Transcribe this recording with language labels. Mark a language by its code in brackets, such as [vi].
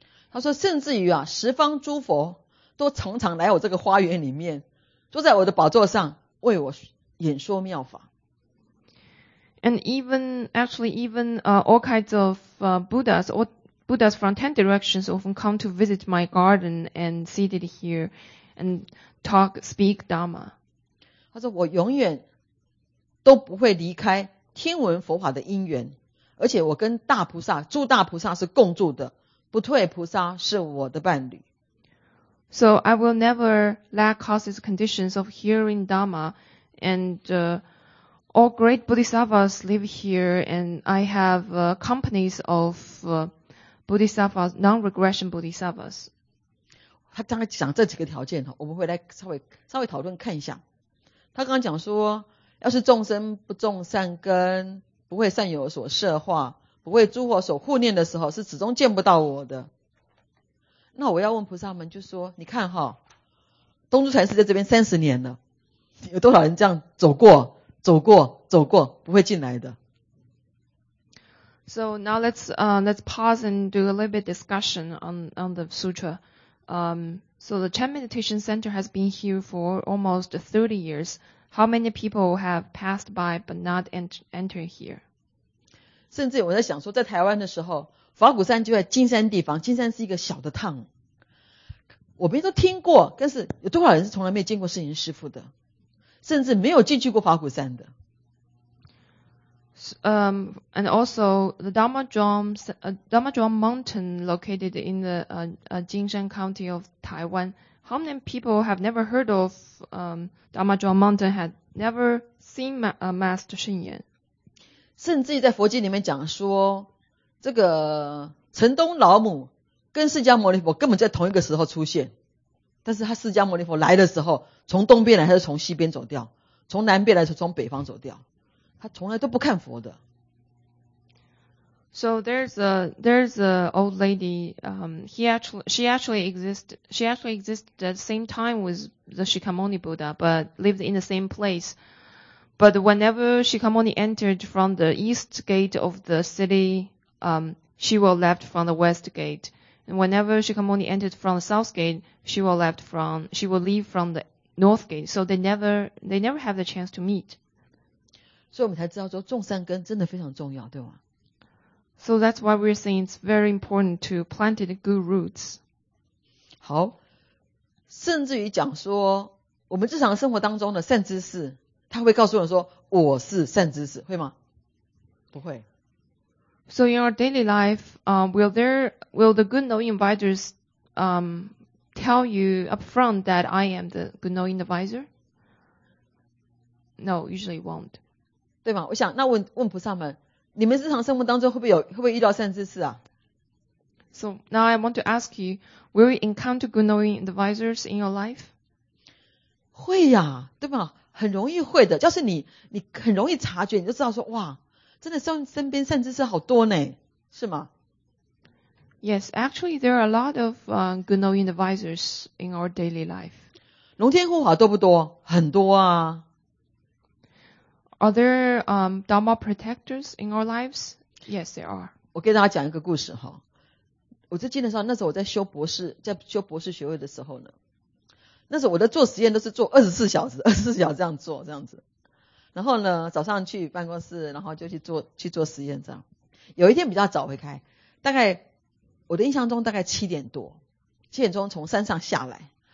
[zh] 他说甚至于啊，十方诸佛都常常来我这个花园里面，坐在我的宝座上为我演说妙法。 [en] And all kinds of Buddhas from 10 directions often come to visit my garden and seated here and speak Dharma. [zh] 他说我永远都不会离开听闻佛法的因缘，而且我跟大菩萨、诸大菩萨是共住的，不退菩萨是我的伴侣。 [en] So I will never lack causes conditions of hearing Dharma, and all great Bodhisattvas live here, and I have companies of Bodhisattvas, non-regression Bodhisattvas. [zh] 他刚刚讲这几个条件，我们会来稍微讨论看一下。他刚刚讲说，要是众生不种善根，不会善友所摄化，不会诸佛所护念的时候，是始终见不到我的。那我要问菩萨们，就说你看哈，东珠禅师在这边30年了，有多少人这样走过不会进来的。 [en] So now let's pause and do a little bit discussion on the sutra. So the Chan Meditation Center has been here for almost 30 years. How many people have passed by but not entered here? [zh] 甚至我在想说，在台湾的时候，法鼓山就在金山地方，金山是一个小的town，我们都听过，但是有多少人是从来没见过圣严师父的，甚至没有进去过法鼓山的。 [en] And also the Dharmadrome Mountain located in the Jinshan County of Taiwan. How many people have never heard of Dharmadrome Mountain, had never seen Master 圣严？ [zh] 甚至在佛经里面讲说，这个城东老母跟释迦牟尼佛根本在同一个时候出现，但是他释迦牟尼佛来的时候，从东边来还是从西边走掉，从南边来还是从北方走掉，他从来都不看佛的。 [en] So there's a old lady. She actually existed at the same time with the Shikamoni Buddha, but lived in the same place. But whenever Shikamoni entered from the east gate of the city. she will left from the west gate. And whenever Shakyamuni entered from the south gate, she will leave from the north gate. So they never have the chance to meet. [zh] 所以我们才知道说种善根真的非常重要，对吗？ [en] So that's why we're saying it's very important to plant good roots. [zh] 好，甚至于讲说我们日常生活当中的善知识，他会告诉我们说我是善知识，会吗？不会。 [en] So in our daily life, will the good knowing advisors, tell you upfront that I am the good knowing advisor? No, usually won't. [zh] 对吗？我想那问菩萨们，你们日常生活当中会不会遇到善知识啊？ [en] So now I want to ask you, will you encounter good knowing advisors in your life? [zh] 会呀，对吗？很容易会的，就是你很容易察觉，你就知道说哇。真的身边善知识好多呢，是吗？ [en] Yes, actually there are a lot of good knowing advisors in our daily life. [zh] 龙天护法多不多？很多啊。 [en] Are there Dharma protectors in our lives? Yes, there are. [zh] 我给大家讲一个故事哈。我就记得上那时候我在修博士，在修博士学位的时候呢，那时候我在做实验都是做24小时这样做这样子。然后呢早上去办公室然后就去做实验这样。有一天比较早会开。大概我的印象中大概七点钟从山上下来。